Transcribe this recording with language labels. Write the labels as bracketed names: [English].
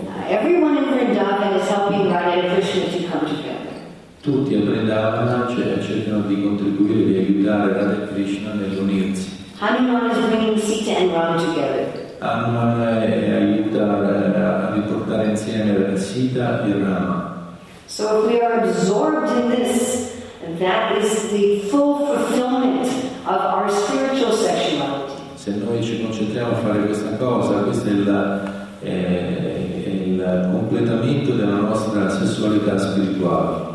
[English] Everyone in Vrindavan is helping Radha and Krishna to come together. [Italian] Tutti a Vrindavana cercano di contribuire, di aiutare Radha e Krishna nell'unirsi. [English] Hanuman is bringing Sita and Ram together. [Italian] Hanuman aiuta a riportare insieme Sita e Rama. [English] So if we are absorbed in this, that is the full fulfillment of our spiritual sexuality. [Italian] Se noi ci concentriamo a fare questa cosa, questa è il completamento della nostra sessualità spirituale.